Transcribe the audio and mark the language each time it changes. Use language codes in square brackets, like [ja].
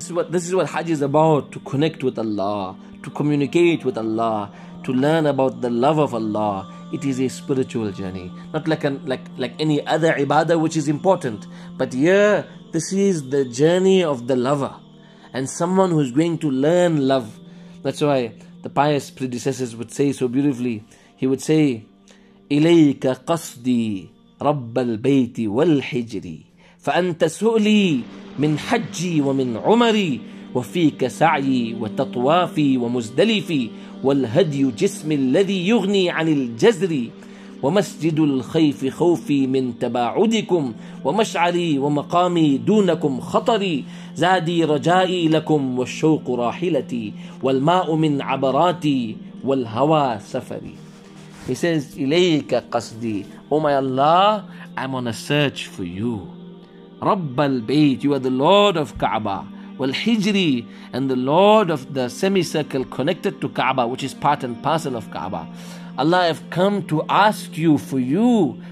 [en] This is what Hajj is about, to connect with Allah, to communicate with Allah, to learn about the love of Allah it is a spiritual journey, not like any other ibadah, which is important. But here, this is the journey of the lover and someone who is going to learn love. That's why the pious predecessors would say so beautifully. He would say, [ar] إِلَيْكَ قَصْدِي رَبَّ الْبَيْتِ وَالْحِجْرِ فَأَنْتَ سُؤْلِي مِنْ حَجِّي وَمِنْ عُمَرِي وَفِيكَ سَعْيِي وَتَطْوَافِي وَمُزْدَلِفِي وَالْهَدْيُ جِسْمِ الَّذِي يُغْنِي عَنِ الْجَزْرِ ومسجد الخيف خوفي من تباعدكم ومشعري ومقامي دونكم خطري زادي رجائي لكم والشوق راحلتي والماء من عبراتي والهوى سفري. [en] He says, [ar] إليك قصدي. [en] Oh my Allah, I'm on a search for you. [ar] رب البيت, [en] you are the Lord of Kaaba. [ar] والحجري, [en] and the Lord of the semicircle connected to Kaaba, which is part and parcel of Kaaba. Allah, I've come to ask you for you.